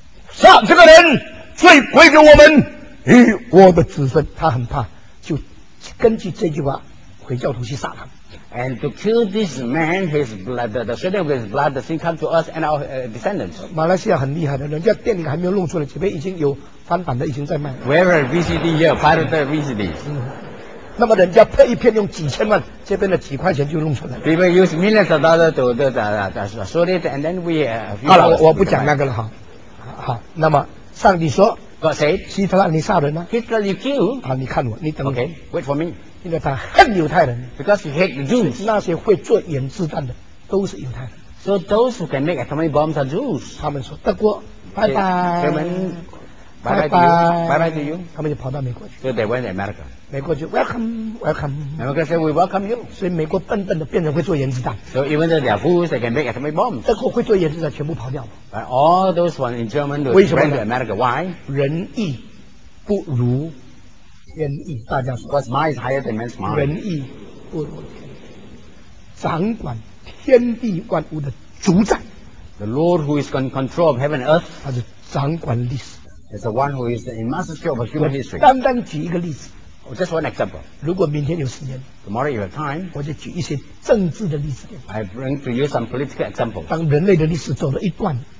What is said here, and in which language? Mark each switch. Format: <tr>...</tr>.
<zh>杀这个人，罪归给我们与我的子孙。他很怕，就根据这句话，回教徒去杀他。</zh> <en>And to kill this man, his blood, the children with blood, the sin come to us and our descendants.</en> <zh>马来西亚很厉害的，人家电影还没有弄出来，这边已经有翻版的，已经在卖。</zh> <en>Where are VCD here? Pirate VCD.</en> <zh>那么人家配一片用几千万，这边的几块钱就弄出来。</zh> <en>People use millions of dollars to do that. So it and then we.</en> <zh>好了，我不讲那个了哈。好，那么上帝说</zh> <en>，God said，</en> <zh>希特拉你杀人呢</zh> <en>？Hitler you kill。</en> <zh>好，你看我，你等我。</zh> <en>Okay， wait for me。</en> <zh>因为他恨犹太人。</zh> <en>Because he hates Jews。</en> <zh>那些会做原子弹的都是犹太人。</zh> <en>So those who can make atomic bombs are Jews。</en> <zh>他们说德国，拜拜。他们。拜拜，拜拜</zh> <en>to you。</en> <zh>他们就跑到美国去。</zh> <en>So they went to America。</en> <zh>美国就</zh> <en>welcome。 America said we welcome you。</en> <zh>所以美国笨笨的变成会做原子弹。</zh> <en>So even though they are fools, they can make atomic bombs。</en> <zh>德国会做原子弹全部跑掉了。</zh> <en>But all those ones in German went to America. Why？</en> <zh>人意不如天意，大家说。</zh> <en>Because mind is higher than man's mind。</en> <zh>人意不如天意，掌管天地万物的主宰。</zh> <en>The Lord who is in control of heaven and earth。</en> <zh>他是掌管历史。</zh> <en>It's the one who is in mastership of human history.</en> <zh>单单举一个例子。</zh> <en>Oh, just one example.</en> <zh>如果明天有时间。</zh> <en>Tomorrow you have time.</en> <zh>我就举一些政治的例子。</zh> <en>I bring to you some political examples.</en> <zh>当人类的历史走了一段。</zh>